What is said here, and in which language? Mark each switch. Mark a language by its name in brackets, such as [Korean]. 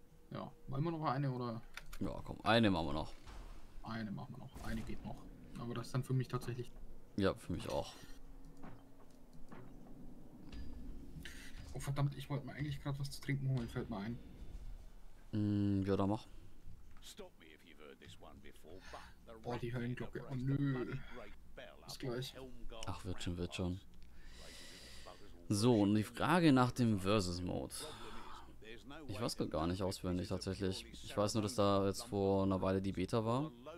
[German] Ja, wollen wir noch eine, oder? Ja, komm, eine machen wir noch. Eine geht noch. Aber das ist dann für mich tatsächlich. Ja, für mich auch. Oh, verdammt, ich wollte mir eigentlich gerade was zu trinken holen, fällt mir ein. Ja, dann mach. [English] Stop me if you've heard this one before, but the Höllenglocke. [German] Oh, nö. Bis gleich. Ach, wird schon. So, und die Frage nach dem Versus-Mode. Ich weiß gar nicht auswendig tatsächlich. Ich weiß nur, dass da jetzt vor einer Weile die Beta war.